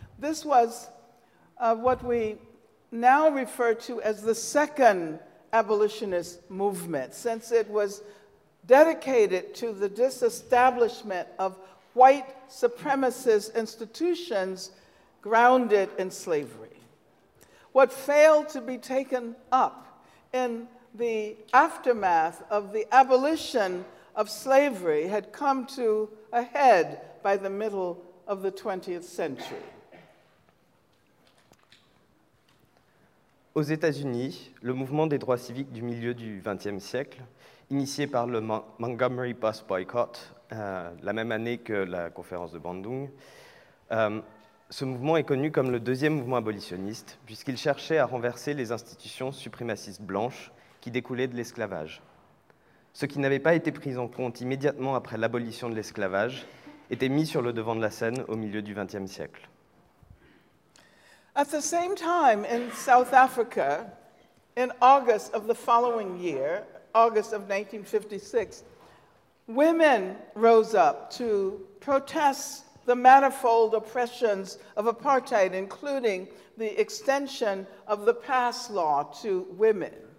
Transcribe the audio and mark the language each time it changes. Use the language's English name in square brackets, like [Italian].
[English] This was what we now refer to as the second abolitionist movement, since it was dedicated to the disestablishment of white supremacist institutions grounded in slavery. What failed to be taken up in the aftermath of the abolition of slavery had come to a head by the middle of the 20th century. [French] Aux États-Unis, le mouvement des droits civiques du milieu du 20e siècle, initié par le Montgomery Bus Boycott, la même année que la conférence de Bandung, Ce mouvement est connu comme le deuxième mouvement abolitionniste, puisqu'il cherchait à renverser les institutions suprémacistes blanches qui découlaient de l'esclavage. Ce qui n'avait pas été pris en compte immédiatement après l'abolition de l'esclavage était mis sur le devant de la scène au milieu du XXe siècle. [English] At the same time, in South Africa, in August of the following year, August of 1956, women rose up to protest the manifold oppressions of apartheid, including the extension of the pass law to women.